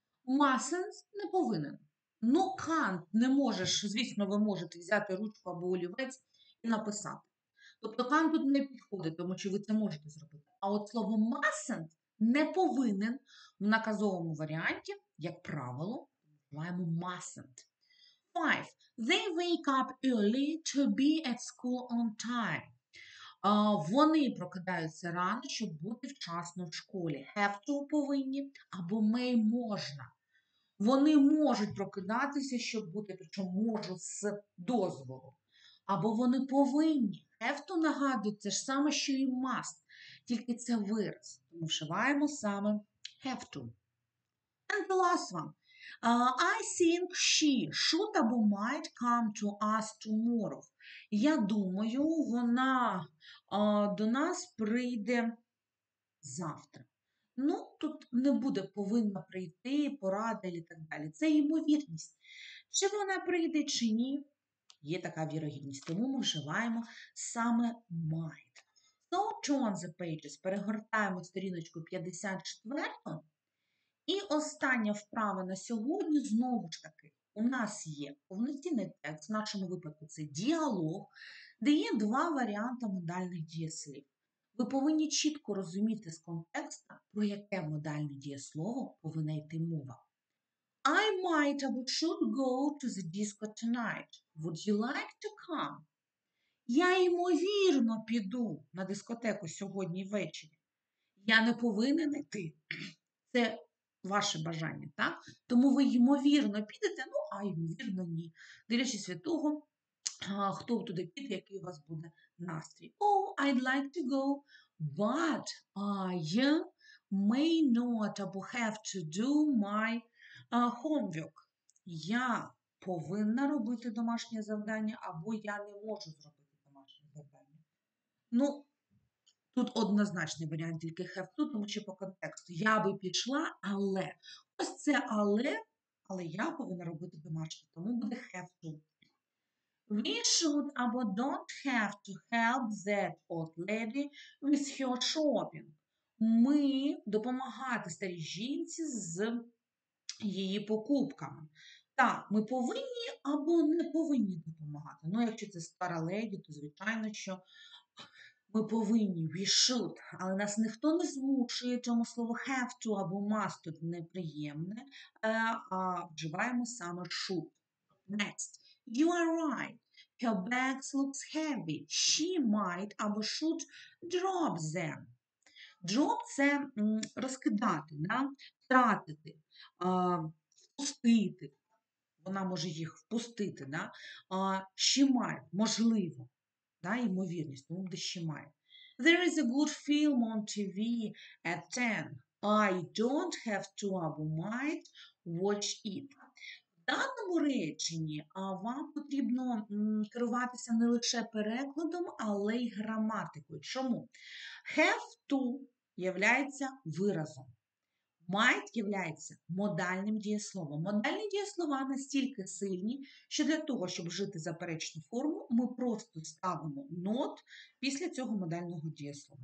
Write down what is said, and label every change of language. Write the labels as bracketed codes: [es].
[uk] Mustn't не повинен. Ну, can't не можеш. Звісно, ви можете взяти ручку або олівець і написати. Тобто can't тут не підходить, тому що ви це можете зробити. А от слово mustn't не повинен в наказовому варіанті, як правило, називаємо mustn't. [en] Five. They wake up early to be at school on time. [uk] Вони прокидаються рано, щоб бути вчасно в школі. Have to повинні, або may можна. Вони можуть прокидатися, щоб бути, причому можу з дозволу. Або вони повинні. Have to нагадують, це ж саме, що і must. Тільки це вираз. Тому вживаємо саме have to. [en] And the last one. I think she should [uk] або [en] might come to us tomorrow. [uk] Я думаю, вона до нас прийде завтра. Ну, тут не буде повинна прийти, порада і так далі. Це ймовірність. Чи вона прийде, чи ні, є така вірогідність. Тому ми вживаємо саме might. [en] So, turn the pages. [uk] Перегортаємо сторіночку 54. І остання вправа на сьогодні знову ж таки. У нас є повноцінний текст, в нашому випадку це діалог, де є два варіанти модальних дієслів. Ви повинні чітко розуміти з контекста, про яке модальне дієслово повинна йти мова. [en] I might [uk] або [en] should go to the disco tonight. Would you like to come? [uk] Я ймовірно піду на дискотеку сьогодні ввечері. Я не повинен йти. Це ваше бажання, так? Тому ви ймовірно підете, ну а ймовірно ні. Дивлячись від того, хто туди піде, який у вас буде настрій. [en] Oh, I'd like to go, but I may not have to do my homework. [uk] Я повинна робити домашнє завдання, або я не можу зробити домашнє завдання. Ну, тут однозначний варіант, тільки have to, тому що по контексту. Я би пішла, але. Ось це але я повинна робити домашнє, тому буде have to. [en] We should [uk] або [en] don't have to help that old lady with her shopping. [uk] Ми допомагати старій жінці з її покупками. Так, ми повинні або не повинні допомагати. Ну, якщо це стара леді, то звичайно, що ми повинні, [en] we should. [uk] Але нас ніхто не змушує, чому слово have to або must тут неприємне, а вживаємо саме should. [en] Next. You are right. Her bags looks heavy. She might [uk] або [en] should drop them. [uk] Drop – це розкидати, да? Втратити, впустити. Вона може їх впустити. Да? [en] She might, [uk] можливо, да, ймовірність, тому буде [en] she might. There is a good film on TV at 10. I don't have to [uk] або [en] might watch it. [uk] В даному реченні вам потрібно керуватися не лише перекладом, але й граматикою. Чому? Have to являється виразом. Might являється модальним дієсловом. Модальні дієслова настільки сильні, що для того, щоб вжити заперечну форму, ми просто ставимо not після цього модального дієслова.